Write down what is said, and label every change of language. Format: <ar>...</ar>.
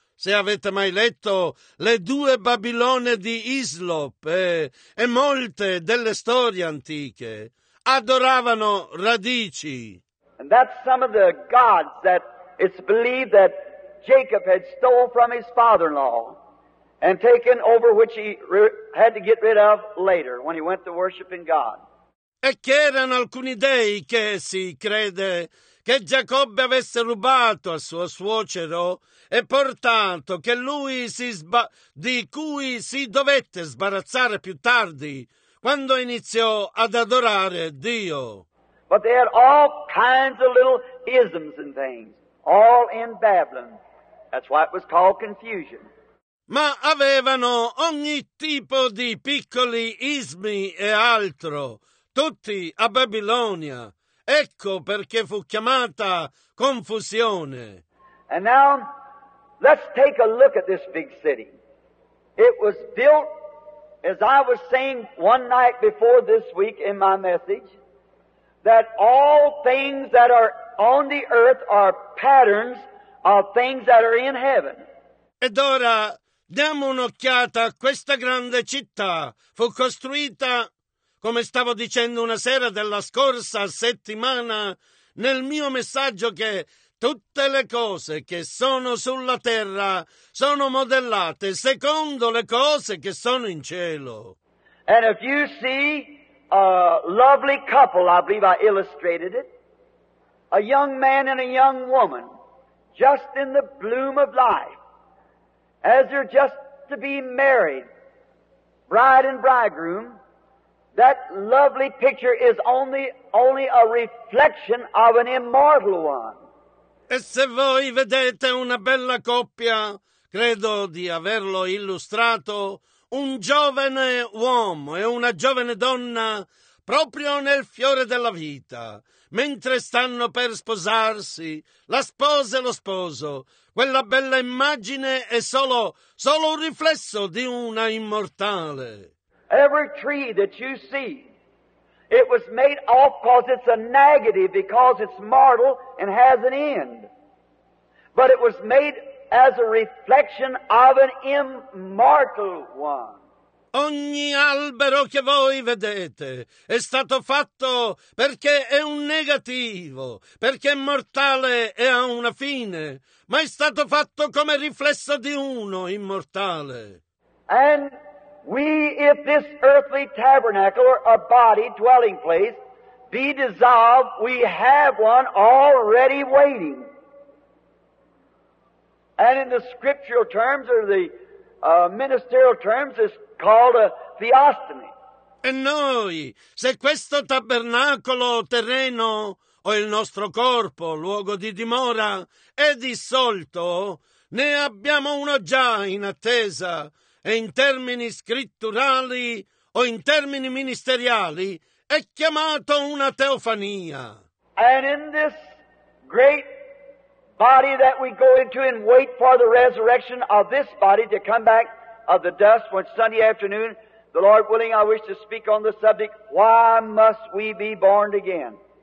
<it>Se avete mai letto le due Babilonie di Islop e molte delle storie antiche, adoravano radici.</it> <en>And that's some of the gods that it's believed that Jacob had stole from his father-in-law and taken over, which he had to get rid of later when he went to worship in God.</en> <it>E che erano alcuni dei che si crede che Giacobbe avesse rubato a suo suocero e portato, che lui di cui si dovette sbarazzare più tardi quando iniziò ad adorare Dio.</it> <en>But they had all kinds of little isms and things, all in Babylon, That's why it was called confusion.</en> <it>Ma avevano ogni tipo di piccoli ismi e altro, tutti a Babilonia. Ecco perché fu chiamata confusione.</it> <en>And now, let's take a look at this big city. It was built, as I was saying one night before this week in my message, that all things that are on the earth are patterns of things that are in heaven.</en> <it>Ed ora diamo un'occhiata a questa grande città. Fu costruita, come stavo dicendo una sera della scorsa settimana, nel mio messaggio che tutte le cose che sono sulla terra sono modellate secondo le cose che sono in cielo.</it> <en>And if you see a lovely couple, I believe I illustrated it, a young man and a young woman, just in the bloom of life, as they're just to be married, bride and bridegroom, that lovely picture is only a reflection of an immortal one.</en> <it>E se voi vedete una bella coppia, credo di averlo illustrato, un giovane uomo e una giovane donna proprio nel fiore della vita, mentre stanno per sposarsi, la sposa e lo sposo, quella bella immagine è solo un riflesso di una immortale.</it> <en>Every tree that you see, it was made off because it's a negative, because it's mortal and has an end. But it was made as a reflection of an immortal one.</en> <it>Ogni albero che voi vedete è stato fatto perché è un negativo, perché è mortale e ha una fine, ma è stato fatto come riflesso di uno immortale.</it> <en>And we, if this earthly tabernacle or a body dwelling place be dissolved, we have one already waiting. And in the scriptural terms or the ministerial terms is called a theostomy.</en> <it>E noi, se questo tabernacolo terreno o il nostro corpo, luogo di dimora, è dissolto, ne abbiamo uno già in attesa. E in termini scritturali o in termini ministeriali è chiamato una teofania.</it> <en>And in this great body that we go into and wait for the resurrection of this body to come back of the dust, when Sunday afternoon, the Lord willing, I wish to speak on the subject, why must we be born again?</en>